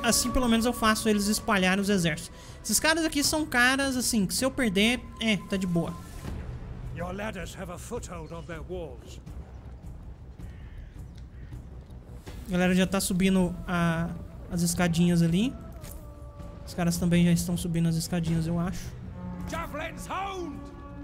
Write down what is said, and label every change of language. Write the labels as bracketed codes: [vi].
[pt] Assim pelo menos eu faço eles espalharem os exércitos. Esses caras aqui são caras assim que, se eu perder, tá de boa. [en] Your ladders have a foothold on their walls. [pt] A galera já tá subindo as escadinhas ali. Os caras também já estão subindo as escadinhas, eu acho. Javelin's Hound!